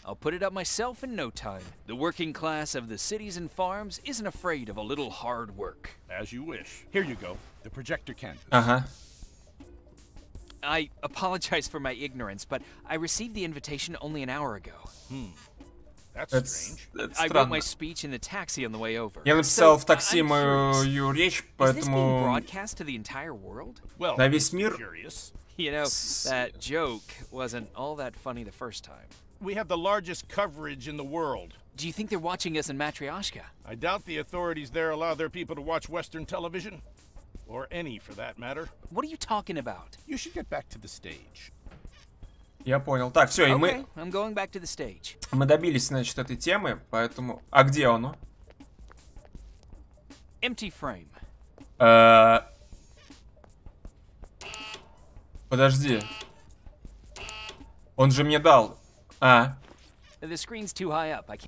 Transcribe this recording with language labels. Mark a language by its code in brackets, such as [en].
[en] I'll put it up myself in no time. The working class of the cities and farms isn't afraid of a little hard work. As you wish. Here you go. The projector canvas. Uh-huh. I apologize for my ignorance, but I received the invitation only an hour ago. That's strange. I wrote my speech in the taxi on the way over. [ru] Я написал в такси мою речь, поэтому... [en] Is this being broadcast to the entire world? Well, [ru] на весь мир? [en] Curious. You know, that joke wasn't all that funny the first time. We have the largest coverage in the world. Do you think they're watching us in Matryoshka? I doubt the authorities there allow their people to watch Western television. Or any, for that matter. What are you talking about? You should get back to the stage. [ru] Я понял. Так, все, [en] okay, [ru] и мы... [en] I'm going back to the stage. [ru] Мы добились, значит, этой темы, поэтому... А где оно? [en] Empty frame. [ru] Подожди. Он же мне дал. А. [en] The screen's too high up. I can't...